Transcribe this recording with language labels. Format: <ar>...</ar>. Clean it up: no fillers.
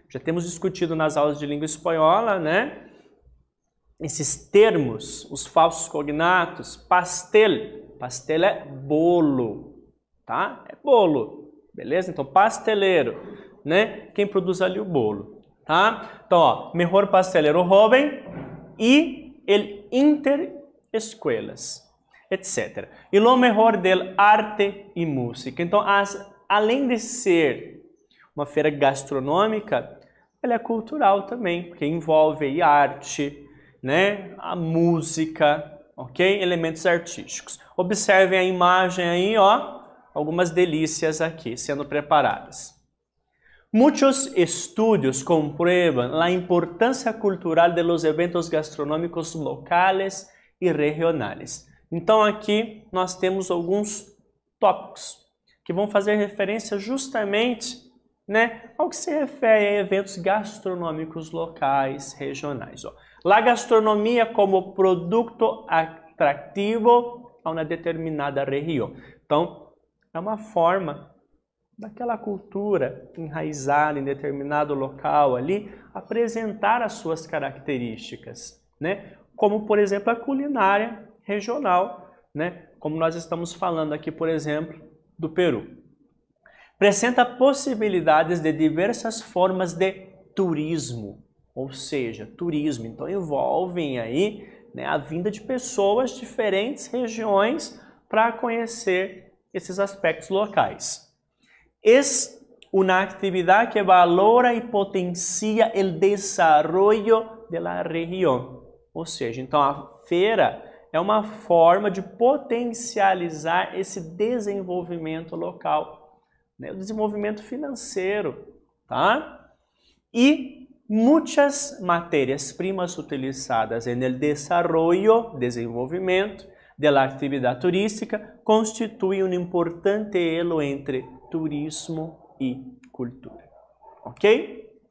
<pt>Já temos discutido nas aulas de língua espanhola, né? Esses termos, os falsos cognatos, pastel, pastel é bolo, tá? É bolo, beleza? Então, pasteleiro, né? Quem produz ali o bolo, tá? Então, ó,</pt> <es>mejor pastelero joven y el inter escuelas, etc. Y lo mejor del arte y música.</es> <pt>Então, além de ser uma feira gastronômica, ela é cultural também, porque envolve aí arte, né? A música, ok? Elementos artísticos. Observem a imagem aí, ó, algumas delícias aqui sendo preparadas.</pt> <es>Muchos estudios comprueban la importancia cultural de los eventos gastronómicos locales y regionales.</es> <pt>Então aqui nós temos alguns tópicos que vão fazer referência justamente né, ao que se refere a eventos gastronômicos locais, regionais. Ó. La gastronomia como produto atrativo a uma determinada região. Então, é uma forma daquela cultura enraizada em determinado local ali apresentar as suas características, né? Como, por exemplo, a culinária regional, né? Como nós estamos falando aqui, por exemplo, do Peru. Apresenta possibilidades de diversas formas de turismo, ou seja, turismo. Então, envolvem aí, né, a vinda de pessoas de diferentes regiões para conhecer esses aspectos locais.</pt> <es>Es una actividad que valora y potencia el desarrollo de la región.</es> <pt>Ou seja, então a feira é uma forma de potencializar esse desenvolvimento local, né? O desenvolvimento financeiro, tá? E muitas matérias-primas utilizadas</pt> <es>en el desarrollo,</es> <pt>desenvolvimento,</pt> <es>de la actividad turística</es> <pt>constituem um importante elo entre turismo e cultura. Ok?</pt>